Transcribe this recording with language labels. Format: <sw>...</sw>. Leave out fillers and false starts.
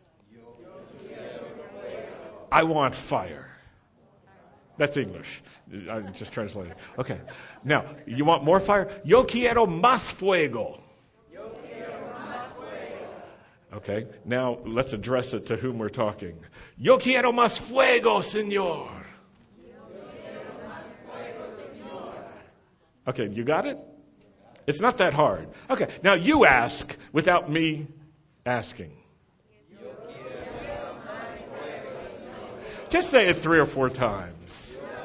<es>Yo quiero fuego.</es> <en>I want fire. That's English. I just translated. Okay. Now, you want more fire?</en> <es>Yo quiero más fuego.</es> <en>Okay, now let's address it to whom we're talking.</en> <es>Yo quiero más fuego, señor. Yo quiero más fuego,</es> <en>señor. Okay, you got it? It's not that hard. Okay, now you ask without me asking.</en> <es>Yo quiero más fuego, señor.</es> <en>Just say it three or four times.</en>